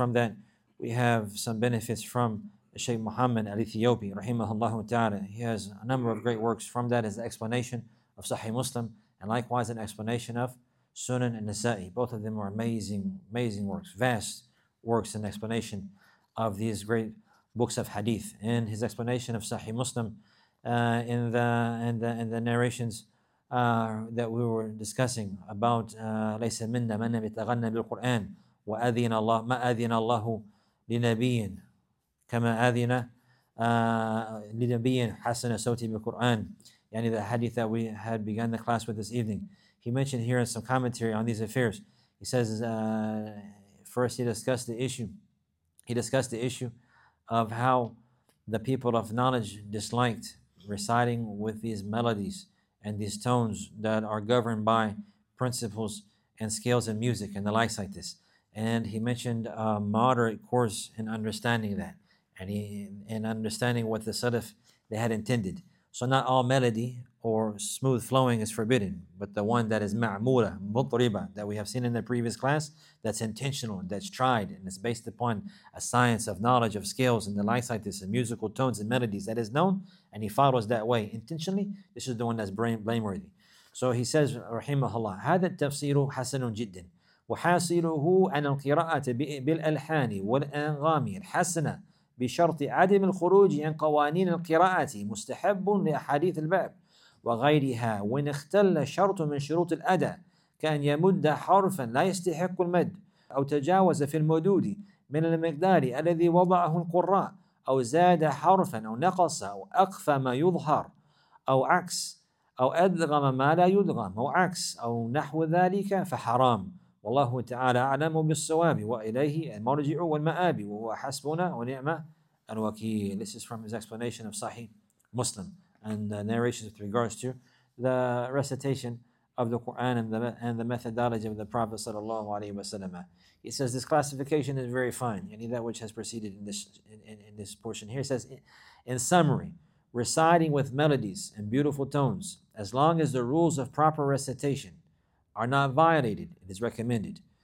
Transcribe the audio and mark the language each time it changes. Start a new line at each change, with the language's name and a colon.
English: From that, we have some benefits from Shaykh Muhammad al-Ithiopi, rahimahullah ta'ala. He has a number of great works. From that is the explanation of Sahih Muslim, and likewise an explanation of Sunan and Nasa'i. Both of them are amazing, amazing works, vast works in explanation of these great books of hadith. And his explanation of Sahih Muslim in the narrations that we were discussing about
Arabic: لَيْسَ مِنَّا مَنَّا بِتَغَنَّ بِالْقُرْآنِ وَأَذِينَ اللَّهُ مَا أَذِينَ اللَّهُ لِنَبِيٍ كما أذن لنبي حسن صوتي بالقرآن.
English: يعني the hadith that we had begun the class with this evening, he mentioned here in some commentary on these affairs. He says first he discussed the issue of how the people of knowledge disliked reciting with these melodies and these tones that are governed by principles and scales and music and the likes like this. And he mentioned a moderate course in understanding that, and in understanding what the Salaf, they had intended. So not all melody or smooth flowing is forbidden, but the one that is ma'mura, mutriba, that we have seen in the previous class, that's intentional, that's tried, and it's based upon a science of knowledge of scales and the likes like this, and musical tones and melodies that is known, and he follows that way intentionally, this is the one that's blameworthy. So he says,
Arabic: rahimahullah, هذا التفسير حسن جدا وحاصله أن القراءة بالألحان والأنغام الحسنة بشرط عدم الخروج عن قوانين القراءة مستحب لأحاديث الباب وغيرها وإن اختل شرط من شروط الأداء كأن يمد حرفا لا يستحق المد أو تجاوز في المدود من المقدار الذي وضعه القراء أو زاد حرفا أو نقص أو أخفى ما يظهر أو عكس أو أدغم ما لا يدغم أو عكس أو نحو ذلك فحرام والله تعالى أعلم بالصواب وإليه المرجع والمآب وهو حسبنا ونعم الوكيل.
English: This is from his explanation of Sahih Muslim and the narrations with regards to the recitation of the Quran and the methodology of the Prophet sallallahu alaihi wasallam. He says this classification is very fine. Any that which has preceded in this portion here says, in summary, reciting with melodies and beautiful tones, as long as the rules of proper recitation are not violated, it is recommended.